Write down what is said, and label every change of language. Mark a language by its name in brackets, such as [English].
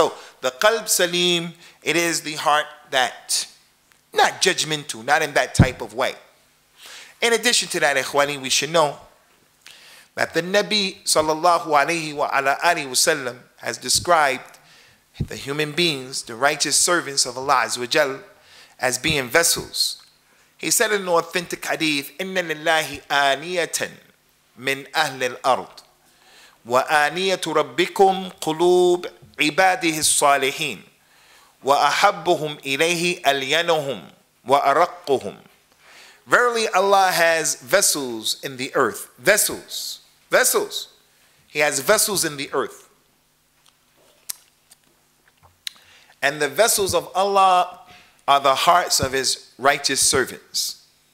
[English] So the qalb saleem, it is the heart that, not judgmental, not in that type of way. In addition to that, ikhwani, we should know that the Nabi sallallahu alayhi wa alayhi wa sallam has described the human beings, the righteous servants of Allah Azza wa Jal, as being vessels. He said in an authentic hadith, [Arabic] إِنَّ لِلَّهِ آنِيَةً مِنْ أَهْلِ الْأَرْضِ وَآنِيَةُ رَبِّكُمْ قُلُوبْ عِبَادِهِ الصَّالِحِينَ وَأَحَبُّهُمْ إِلَيْهِ أَلْيَنُهُمْ وَأَرَقُّهُمْ. [English] Verily Allah has vessels in the earth. Vessels. Vessels. He has vessels in the earth. And the vessels of Allah are the hearts of his righteous servants.